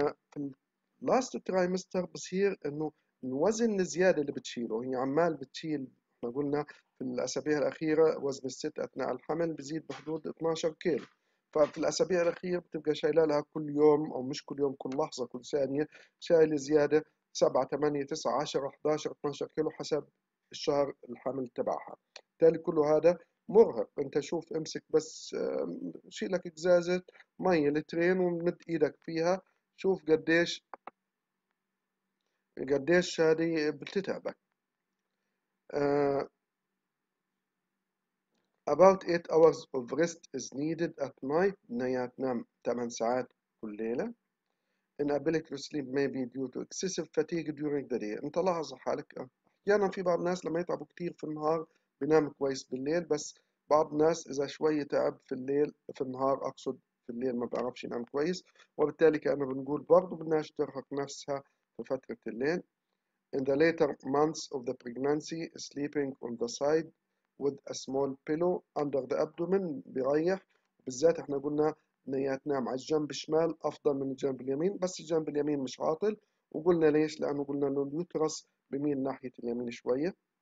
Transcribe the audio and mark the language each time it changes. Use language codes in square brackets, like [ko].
[ar] في اللاست ترايمستر بصير انه الوزن الزياده اللي بتشيله، هي عمال بتشيل، ما قلنا في الاسابيع الاخيره وزن الست اثناء الحمل بيزيد بحدود 12 كيلو، ففي الأسابيع الأخيرة بتبقى شايلة لها كل يوم، أو مش كل يوم، كل لحظة كل ثانية شايلة زيادة 7 8 9 10 11 12 كيلو حسب الشهر الحمل تبعها. بالتالي كله هذا مرهق. أنت شوف، امسك بس شيل لك إزازة مية لترين ومد إيدك فيها، شوف قديش هذه بتتعبك. [en] About 8 hours of rest is needed at night. [ar] بنيات تنام 8 ساعات كل ليلة. [en] Inability to sleep may be due to excessive fatigue during the day. [ar] انت لاحظ حالك، احيانا في بعض الناس لما يتعبوا كثير في النهار بينام كويس بالليل، بس بعض الناس اذا شوي تعب في الليل، في النهار اقصد، في الليل ما بيعرفش ينام كويس، وبالتالي كأنه بنقول برضه بدناش ترهق نفسها في فترة الليل. [en] In the later months of the pregnancy, sleeping on the side with a small pillow under the abdomen [ar] بيريح، بالذات احنا قلنا ان هي تنام على الجنب الشمال افضل من الجنب اليمين، بس الجنب اليمين مش عاطل، وقلنا ليش؟ لانه قلنا انه اليوترس بميل ناحيه اليمين شويه.